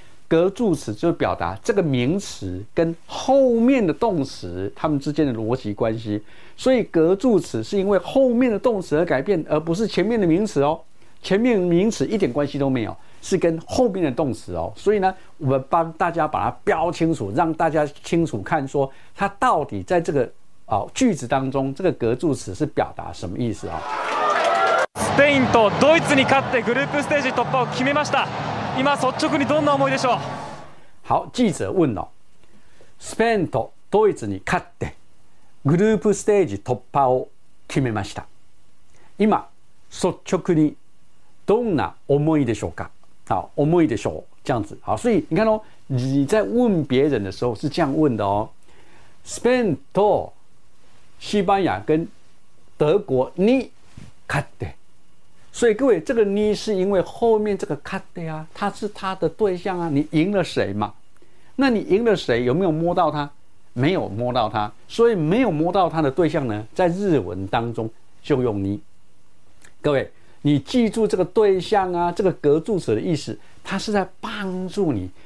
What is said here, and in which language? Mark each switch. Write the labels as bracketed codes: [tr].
[zh] 格助词就表达这个名词跟后面的动词它们之间的逻辑关系，所以格助词是因为后面的动词而改变，而不是前面的名词哦。前面名词一点关系都没有，是跟后面的动词哦。所以呢，我们帮大家把它标清楚，让大家清楚看说它到底在这个句子当中，这个格助词是表达什么意思哦。 [ja] スペインとドイツに勝ってグループステージ突破を決めました。今率直にどんな思いでしょう。 [zh] 好，记者问了、哦、 [ja] スペインとドイツに勝ってグループステージ突破を決めました。今率直にどんな思いでしょうか。 [zh] 好， [ja] 思いでしょう， [zh] 这样子。好，所以你看哦，你在问别人的时候是这样问的哦。 [ja] スペインと [zh] 西班牙跟德国 [ja] に勝って。 [zh] 所以各位，这个你是因为后面这个勝って啊，他是他的对象啊，你赢了谁嘛？那你赢了谁？有没有摸到他？没有摸到他，所以没有摸到他的对象呢，在日文当中就用你。各位，你记住这个对象啊，这个格助词的意思，他是在帮助你